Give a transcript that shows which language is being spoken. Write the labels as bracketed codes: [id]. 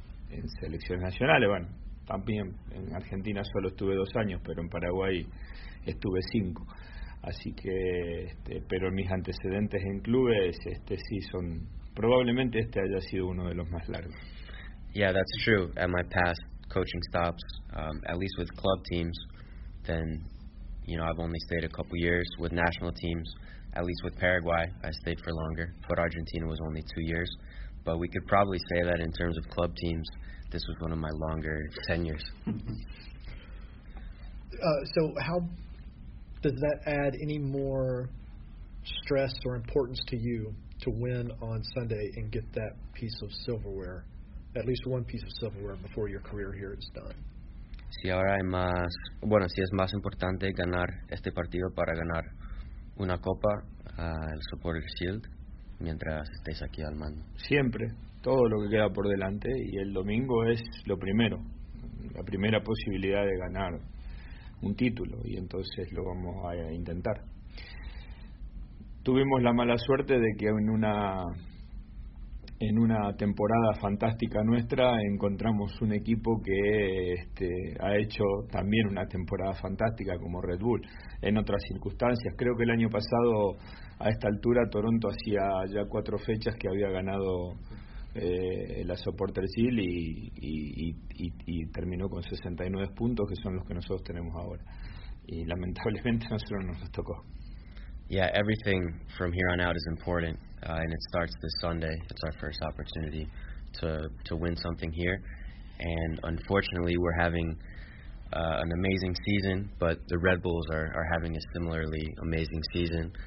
[es] en selecciones nacionales. Bueno, también en Argentina solo estuve 2 años, pero en Paraguay estuve 5. Así que, pero mis antecedentes en clubes, sí son, probablemente este haya sido uno de los más largos. [en] Yeah, that's true. At my past coaching stops, at least with club teams, then, you know, I've only stayed a couple years. With national teams, at least with Paraguay, I stayed for longer, but Argentina was only 2 years. But we could probably say that in terms of club teams, this was one of my longer tenures. So how does that add any more stress or importance to you to win on Sunday and get that piece of silverware, at least one piece of silverware, before your career here is done? [es] Si ahora hay más, bueno, si es más importante ganar este partido para ganar una copa, el Supporter Shield, mientras estés aquí al mando. Siempre, todo lo que queda por delante, y el domingo es lo primero, la primera posibilidad de ganar un título, y entonces lo vamos a intentar. Tuvimos la mala suerte de que en una temporada fantástica nuestra encontramos un equipo que ha hecho también una temporada fantástica, como Red Bull. En otras circunstancias, creo que el año pasado a esta altura Toronto hacía ya 4 fechas que había ganado la Supporter Shield y terminó con 69 puntos, que son los que nosotros tenemos ahora, y lamentablemente a nosotros no nos tocó. [en] Yeah, everything from here on out is important, and it starts this Sunday. It's our first opportunity to win something here, and unfortunately we're having an amazing season, but the Red Bulls are having a similarly amazing season.